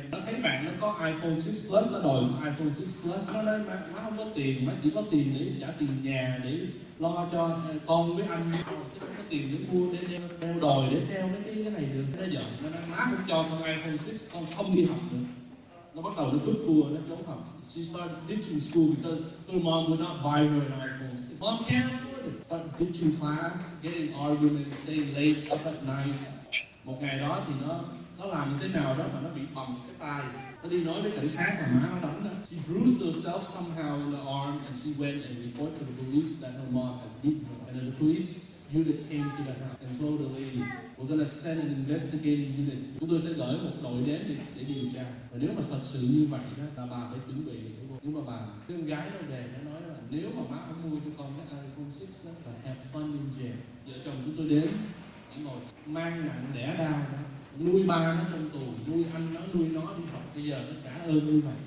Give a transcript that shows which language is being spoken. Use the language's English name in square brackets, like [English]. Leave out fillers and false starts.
[Vietnamese] nó thấy bạn nó có iPhone 6 Plus, nó đòi iPhone 6 Plus. Nó nói má không có tiền, má chỉ có tiền để trả tiền nhà, để lo cho con với anh. Chứ không có tiền để mua, để theo đòi, để theo mấy cái này được. Nó giận, nó nói má không cho con iPhone 6, con không đi học nữa. Nó bắt đầu nó cướp cua, nó trốn học. [English] She started ditching school because her mom would not buy her an iPhone 6. Mom can't afford it. Started ditching class, getting arguments, staying late, up at night. [Vietnamese] Một ngày đó thì nó làm như thế nào đó mà nó bị bầm cái tay. Nó đi nói với cảnh sát là má nó đánh đó. [English] She bruised herself somehow in the arm and she went and reported to the police that her mom had beaten her. And then the police unit came to the house and told the lady, we're gonna send an investigating unit. [Vietnamese] Chúng tôi sẽ gửi một đội đến để điều tra. Và nếu mà thật sự như vậy đó, là bà phải chuẩn bị. Nhưng mà bà, cái con gái nó về, nó nói là nếu mà má không mua cho con cái iPhone 6 đó, là [English] have fun in jail. [Vietnamese] Vợ chồng chúng tôi đến, ngồi mang nặng đẻ đau đó. Nuôi ba nó trong tù, nuôi anh nó, nuôi nó đi học. Bây giờ nó trả ơn như vậy.